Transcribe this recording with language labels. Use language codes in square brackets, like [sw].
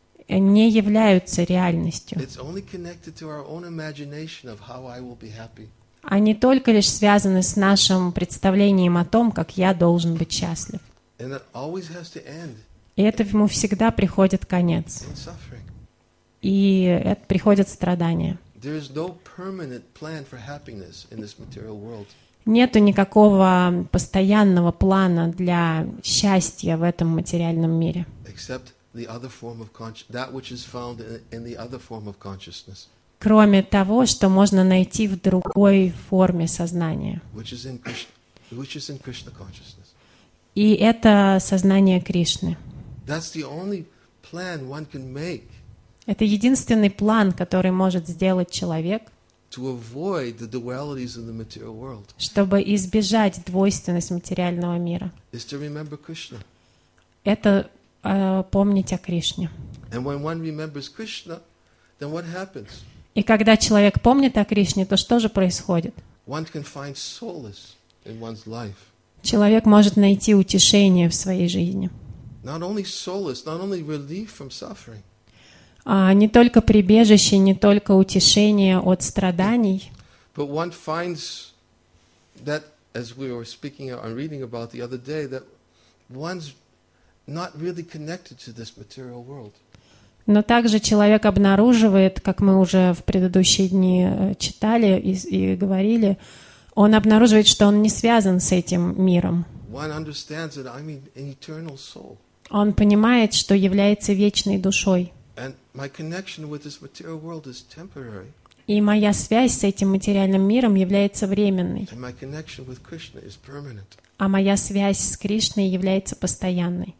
[ru] не являются реальностью. [en] It's only connected to our own imagination of how I will be happy. [ru] Они только лишь связаны с нашим представлением о том, как я должен быть счастлив. [en] And it always has to end. [ru] И этому всегда приходит конец. [en] In suffering. [ru] И это приходит страдание. [en] There is no permanent plan for happiness in this material world. [ru] Нету никакого постоянного плана для счастья в этом материальном мире. [en] Except the other form of consciousness, that which is found in the other form of consciousness. [ru] Кроме того, что можно найти в другой форме сознания. [en] Which is in Krishna consciousness. [ru] И это сознание Кришны. [en] That's the only plan one can make. [ru] Это единственный план, который может сделать человек, [en] to avoid the dualities of the material world. [ru] Чтобы избежать двойственность материального мира. [en] Is to remember Krishna. [ru] Это помнить о Кришне. [en] And when one remembers Krishna, then what happens? [ru] И когда человек помнит о Кришне, то что же происходит? [en] One can find solace in one's life. [ru] Человек может найти утешение в своей жизни. [en] Not only solace, not only relief from suffering. [ru] Не только прибежище, не только утешение от страданий. [en] But one finds that, as we were speaking and reading about the other day, that one's not really connected to this material world. [ru] Но также человек обнаруживает, как мы уже в предыдущие дни читали и говорили, он обнаруживает, что он не связан с этим миром. [en] One understands that I'm an eternal soul. [ru] Он понимает, что является вечной душой. [en] And my connection with this material world is temporary. [ru] И моя связь с этим материальным миром является временной. [en] And my connection with Krishna is permanent. [ru] А моя связь с Кришной является постоянной.